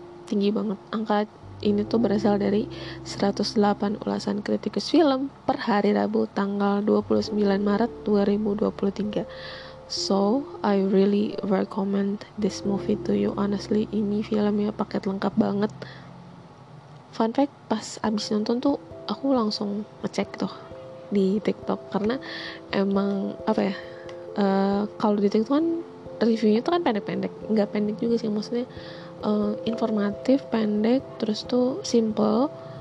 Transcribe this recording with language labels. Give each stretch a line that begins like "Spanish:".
Indonesian: Tinggi banget. Angka ini tuh berasal dari 108 ulasan kritikus film per hari Rabu tanggal 29 Maret 2023.
English: So, I really recommend this movie to you.
Indonesian: Honestly, ini filmnya paket lengkap banget. Fun fact, pas abis nonton tuh aku langsung ngecek tuh di TikTok, karena emang apa ya, kalau di TikTok kan reviewnya tuh kan pendek-pendek, nggak pendek juga sih, maksudnya informatif, pendek, terus tuh simple.